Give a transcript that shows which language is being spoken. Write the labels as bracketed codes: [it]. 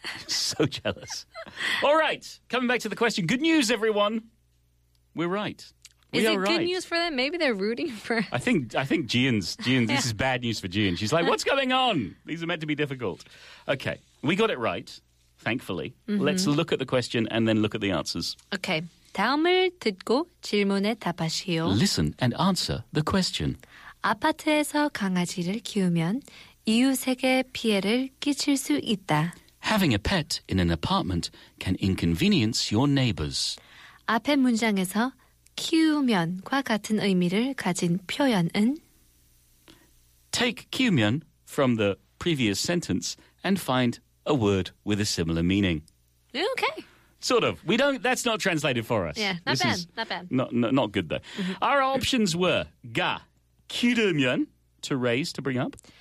[en] So jealous. All right, coming back to the question. Good news, everyone. We're right. Is it good news for them? Maybe they're rooting for... I think Jian's this is bad news for Jian. She's like, what's going on? These are meant to be difficult. Okay, we got it right, thankfully. Mm-hmm. Let's look at the question and then look at the answers. Okay. [ko] 다음을 듣고 질문에 답하시오. [en] Listen and answer the question. [ko] 아파트에서 강아지를 키우면 이웃에게 피해를 끼칠 수 있다. [en] Having a pet in an apartment can inconvenience your neighbors. [ko] 앞에 문장에서 키우면과 같은 의미를 가진 표현은? [en] Take 키우면 from the previous sentence and find a word with a similar meaning. Okay. Sort of. We don't. That's not translated for us. Yeah, not this bad. Not bad. Not good though. Mm-hmm. Our options were [ko] 가 키우면 [en] to raise to bring up.